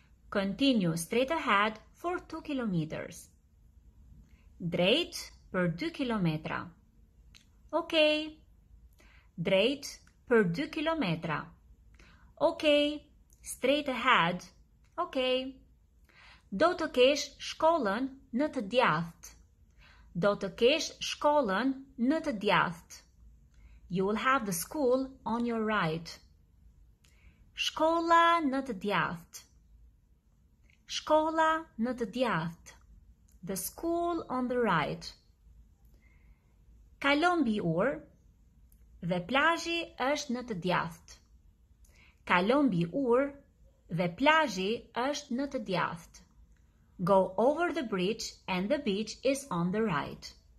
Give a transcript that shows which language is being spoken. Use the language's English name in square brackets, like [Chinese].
[English] Continue straight ahead for 2 kilometers. [Albanian] Drejt për 2 kilometra. [English] Okay. [Albanian] Drejt për 2 kilometra. Okay. [English] Straight ahead [Albanian] Do të kesh shkollën në të djathtë. Do të kesh shkollën në të djathtë. [English] You will have the school on your right. [Albanian] Shkolla në të djathtë. Shkolla në të djathtë. [English] The school on the right. [Albanian] Kalon mbi ur dhe plazhi është në të djathtë. Kalon mbi ur dhe plazhi është në të djathtë. [English] Go over the bridge and the beach is on the right.